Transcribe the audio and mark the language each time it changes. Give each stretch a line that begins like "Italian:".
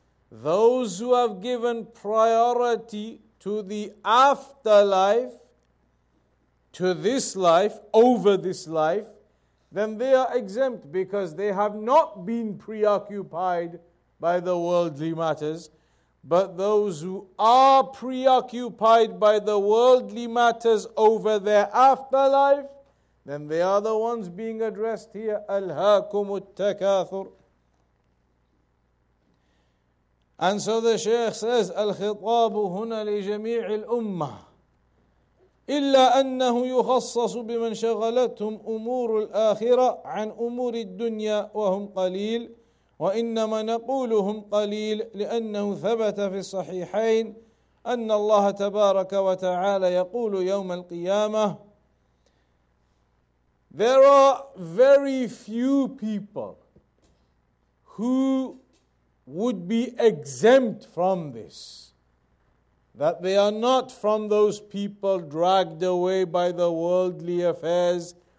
English: Those who have given priority to the afterlife, to this life, over this life, then they are exempt because they have not been preoccupied by the worldly matters. But those who are preoccupied by the worldly matters over their afterlife, then they are the ones being addressed here.
Arabic: أَلْهَاكُمُ التَّكَاثُرُ. And so the Shaykh says, الْخِطَابُ هُنَا لِجَمِيعِ الْأُمَّةِ إِلَّا أَنَّهُ يُخَصَّصُ بِمَنْ شَغَلَتْهُمْ أُمُورُ الْآخِرَةِ عَنْ أُمُورِ الدُّنْيَا وَهُمْ قَلِيلٌ وإنما نقولهم قليل لأنه ثبت في الصحيحين أن الله تبارك وتعالى يقول يوم القيامة.
English: There are very few people who would be exempt from this, that they are not from those people dragged away by the worldly affairs.